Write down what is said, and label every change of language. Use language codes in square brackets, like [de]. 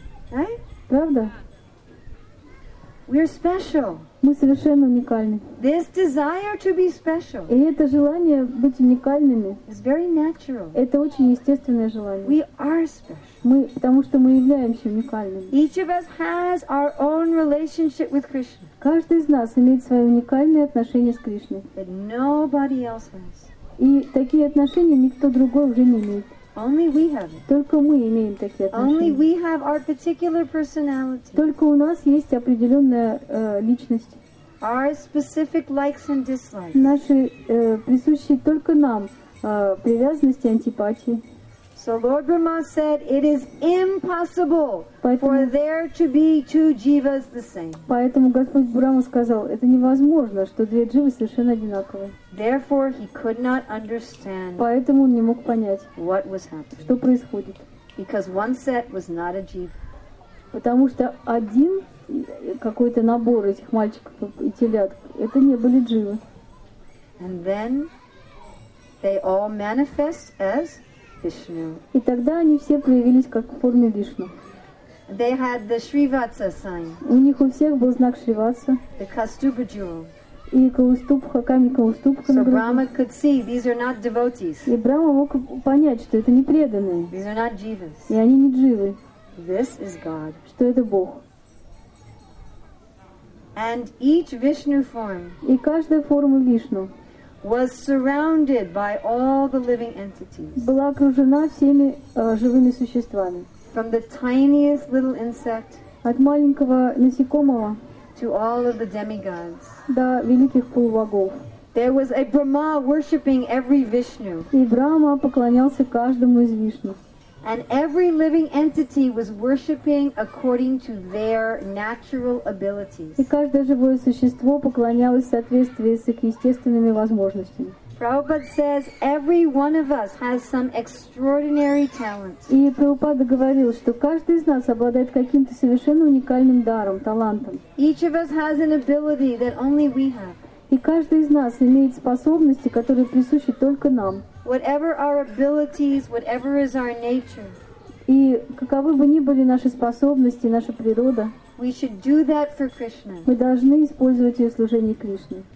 [en] Right? [ru] Правда? [en] We're special. [ru] Мы совершенно уникальны. [en] This desire to be special. [ru] И это желание быть уникальными. [en] It's very natural. [ru] Это очень естественное желание. [en] We are special. [ru] Мы, потому что мы являемся уникальными. [en] Each of us has our own relationship with Krishna. [ru] Каждый из нас имеет свои уникальные отношения с Кришной. [en] That nobody else has. [ru] И такие отношения никто другой уже не имеет. [en] Only we have it. [ru] Только мы имеем такие отношения. [en] Only we have our particular personality. [ru] Только у нас есть определенная личность. [en] Our specific likes and dislikes. [ru] Наши присущие только нам привязанности и антипатии. [en] So Lord Brahma said, it is impossible [ru] поэтому, [en] for there to be two jivas the same. [ru] Поэтому Господь Брама сказал, это невозможно, что две дживы совершенно одинаковые. [en] Therefore he could not understand. [ru] Поэтому он не мог понять, [en] what was happening. [ru] Что происходит. [en] Because one set was not a jiva. [ru] Потому что один какой-то набор этих мальчиков и телят, это не были дживы. [en] And then they all manifest as Vishnu. [ru] И тогда они все проявились как в форме Вишну. [en] They had the Shrivatsa sign. [ru] У них у всех был знак Шриватса. [en] The Kastubha jewel. [ru] И Каустубха, камень Каустубха. [en] So Brahma could see these are not devotees. [ru] И Брама мог понять, что это не преданные. [en] These are not jivas. [ru] И они не дживы. [en] This is God. [ru] Что это Бог. [en] And each Vishnu form. [ru] И каждая форма Вишну. [en] Was surrounded by all the living entities. [ru] Была окружена всеми живыми существами. [en] From the tiniest little insect. [ru] От маленького насекомого. [en] To all of the demigods. [ru] До великих полубогов. [en] There was a Brahma worshipping every Vishnu. [ru] И Брахма поклонялся каждому из Вишну. [en] And every living entity was worshipping according to their natural abilities. [ru] И каждое живое существо поклонялось в соответствии с их естественными возможностями. [en] Prabhupada says every one of us has some extraordinary talent. [ru] И Прабхупада говорил, что каждый из нас обладает каким-то совершенно уникальным даром, талантом. [en] Each of us has an ability that only we have. [ru] И каждый из нас имеет способности, которые присущи только нам. [en] Whatever our abilities, whatever is our nature. [ru] И каковы бы ни были наши способности, наша природа, [en] we should do that for Krishna. [ru] Мы должны использовать ее в служении Кришне.